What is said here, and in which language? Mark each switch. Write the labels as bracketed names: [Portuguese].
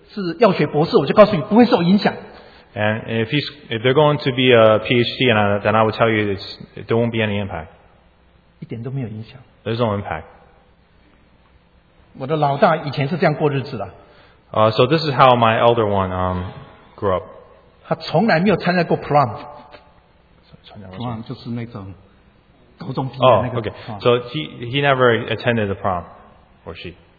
[Chinese] 我现在他已经是药学博士，我就告诉你不会受影响。 [English] And if they're going to be a PhD, then I would tell you there won't be any impact. [Chinese] 一点都没有影响。 [English] There's no impact. [Chinese] 我的老大以前是这样过日子的。 [English] So this is how my elder one grew up. [Chinese] 他从来没有参加过 prom. Prom就是那种高中毕业那个。 [English] Oh, okay. So he never attended the prom, or she.